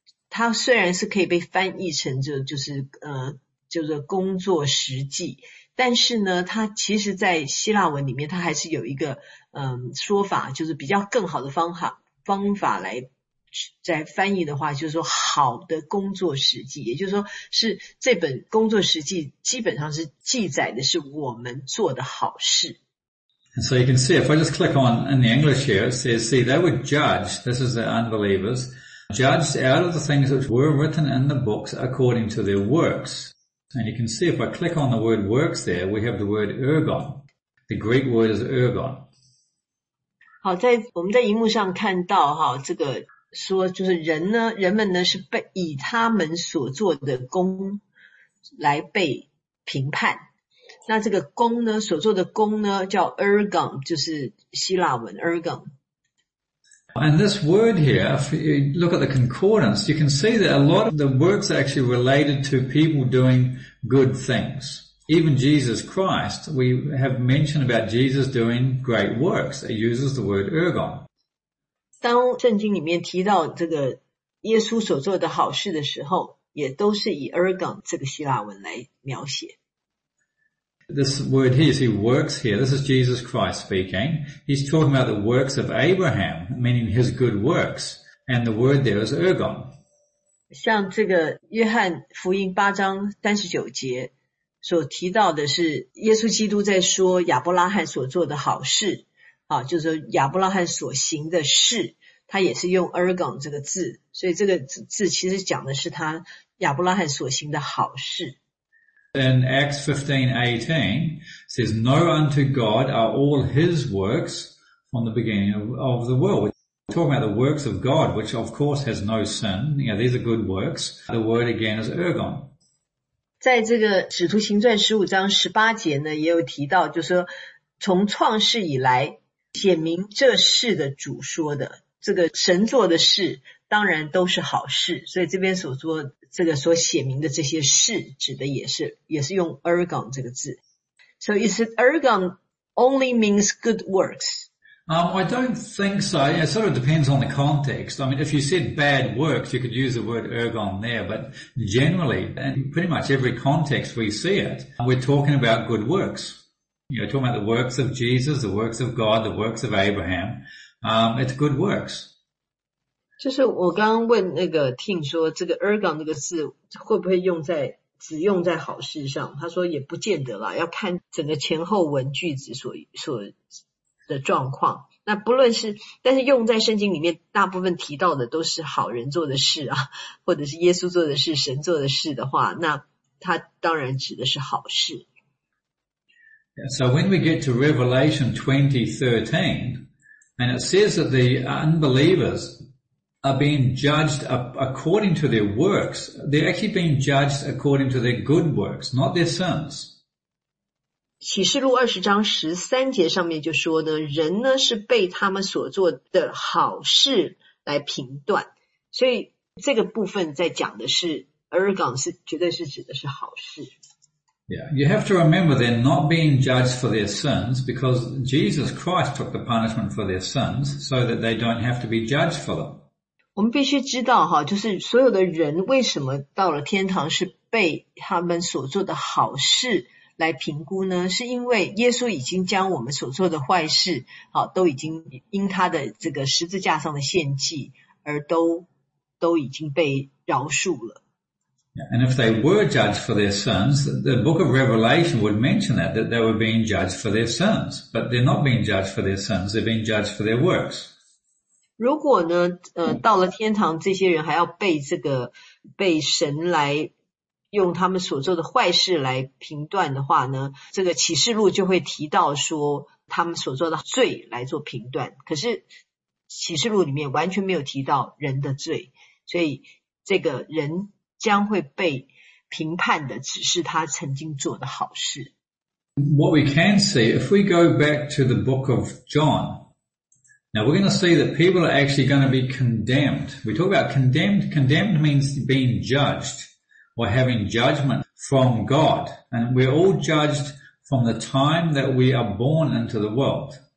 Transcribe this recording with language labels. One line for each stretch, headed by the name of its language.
Chinese: 它虽然是可以被翻译成就是工作实际，但是呢，它其实在希腊文里面，它还是有一个说法，就是比较更好的方法来在翻译的话，就是说好的工作实际，也就是说是这本工作实际基本上是记载的是我们做的好事。
English: So you can see if I just click on in the English here, it says, see they would judge. This is the unbelievers. Judged out of the things which were written in the books according to their works. And you can see if I click on the word works there, we have the word ergon. The Greek word is ergon.
Chinese: 好，在我们在荧幕上看到哈，这个说就是人呢，人们呢是被以他们所做的工来被评判。那这个工呢，所做的工呢叫 ergon， 就是希腊文 ergon。
English: And this word here, if you look at the concordance, you can see that a lot of the works are actually related to people doing good things. Even Jesus Christ, we have mentioned about Jesus doing great works. It uses the word ergon.
Chinese: 当圣经里面提到这个耶稣所做的好事的时候，也都是以 ergon 这个希腊文来描写。
English: This word here, see, works here, this is Jesus Christ speaking. He's talking about the works of Abraham, meaning his good works. And the word there is ergon.
Chinese: 像这个约翰福音八章三十九节所提到的是耶稣基督在说亚伯拉罕所做的好事，就是亚伯拉罕所行的事，他也是用 ergon 这个字，所以这个字其实讲的是他亚伯拉罕所行的好事。
English: In Acts 15:18 says, "Know unto God are all His works from the beginning of the world." We're talking about the works of God, which of course has no sin. You know, these are good works. The word again is ergon.
Chinese: 在这个《使徒行传》十五章十八节呢，也有提到，就是说从创世以来，显明这事的主说的，这个神做的事。当然都是好事，所以这边所说这个所写明的这些事，指的也是用 ergon 这个字。
English: So is it ergon only means good works? I don't think so. It sort of depends on the context. I mean, if you said bad works, you could use the word ergon there. But generally, in pretty much every context we see it, we're talking about good works. You know, talking about the works of Jesus, the works of God, the works of Abraham. It's good works.
Chinese: 就是我刚刚问那个 Tim 说这个 ergon 这个字会不会用在只用在好事上，他说也不见得啦，要看整个前后文句子所的状况。那不论是，但是用在圣经里面大部分提到的都是好人做的事啊，或者是耶稣做的事，神做的事的话，那他当然指的是好事。
English: So when we get to Revelation 20:13, and it says that the unbelievers,are being judged according to their works. They're actually being judged according to their good works, not their sins.
Chinese: 启示录二十章十三节上面就说呢，人呢是被他们所做的好事来评断。所以这个部分在讲的是 ergon 是绝对是指的是好事。
English: Yeah, you have to remember they're not being judged for their sins because Jesus Christ took the punishment for their sins so that they don't have to be judged for them.
Chinese: 我们必须知道哈，就是所有的人为什么到了天堂是被他们所做的好事来评估呢？是因为耶稣已经将我们所做的坏事，好，都已经因他的这个十字架上的献祭而都已经被饶恕了。
English: And if they were judged for their sins, the book of Revelation would mention that, that they were being judged for their sins. But they're not being judged for their sins, they're being judged for their works.
Chinese: 如果呢，到了天堂，这些人还要被这个，被神来用他们所做的坏事来评断的话呢，这个启示录就会提到说他们所做的罪来做评断。可是启示录里面完全没有提到人的罪，所以这个人将会被评判的只是他曾经做的好事。
English: What we can see, if we go back to the book of John, now we're going to see that people are actually going to be condemned. We talk about condemned. Condemned means being judged. Or having judgment from God. And we're all judged from the time that we are born into the world.